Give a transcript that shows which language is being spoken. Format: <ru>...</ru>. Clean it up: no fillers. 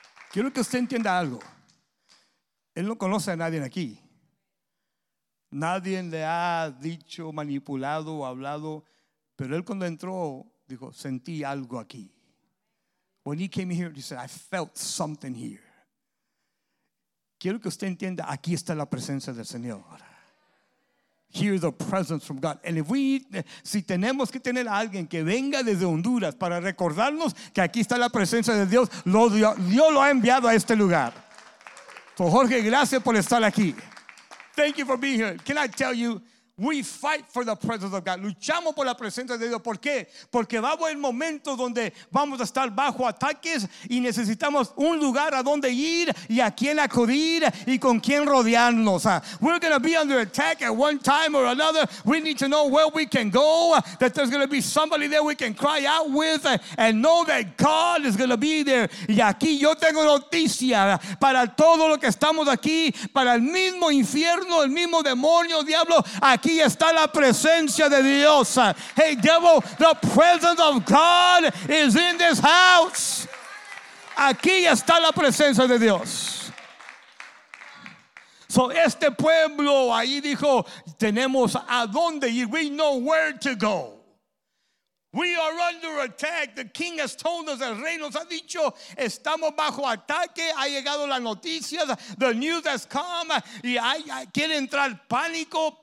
<es>Quiero que usted entienda algo. Él no conoce a nadie aquí. Nadie le ha dicho, manipulado o hablado. Pero él cuando entró, dijo, sentí algo aquí.</es> <en>When he came here, he said, I felt something here.</en> <es>Quiero que usted entienda, aquí está la presencia del Señor.</es> <en>Here is the presence from God. And if we,</en> <es>si tenemos que tener a alguien que venga desde Honduras para recordarnos que aquí está la presencia de Dios, Dios lo ha enviado a este lugar.</es> <en>So Jorge,</en> <es>gracias por estar aquí.</es> <en>Thank you for being here. Can I tell you, we fight for the presence of God.</en> <es>Luchamos por la presencia de Dios. ¿Por qué? Porque va a haber momentos donde vamos a estar bajo ataques y necesitamos un lugar a donde ir y a quién acudir y con quién rodearnos.</es> <en>We're going to be under attack at one time or another. We need to know where we can go, that there's going to be somebody there we can cry out with and know that God is going to be there.</en> <es>Y aquí yo tengo noticia para todo lo que estamos aquí, para el mismo infierno, el mismo demonio, diablo. Aquí está la presencia de Dios.</es> <en>Hey, devil, the presence of God is in this house.</en> <es>Aquí está la presencia de Dios. So este pueblo ahí dijo, tenemos a dónde ir.</es> <en>We know where to go. We are under attack. The king has told us,</en> <es>el rey nos ha dicho, estamos bajo ataque.</es> <en>Ha llegado la noticia, the news has come. Y hay, quiere entrar pánico.</en>